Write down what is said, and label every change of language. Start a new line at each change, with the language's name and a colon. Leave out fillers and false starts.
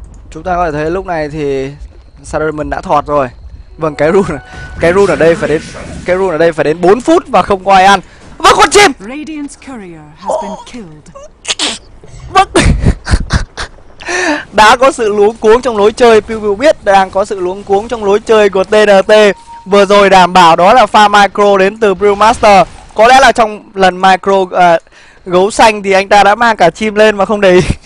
Vietnamese: Chúng ta có thể thấy lúc này thì Saruman đã thọt rồi. Vâng, cái rune ở đây phải đến 4 phút và không có ai ăn. Vâng, con chim.
English: Radiance Courier has been killed.
Vietnamese: Vâng. Đã có sự luống cuống trong lối chơi, Pew Pew biết đang có sự luống cuống trong lối chơi của TNT. Vừa rồi đảm bảo đó là pha micro đến từ Brewmaster. Có lẽ là trong lần micro gấu xanh thì anh ta đã mang cả chim lên mà không để ý.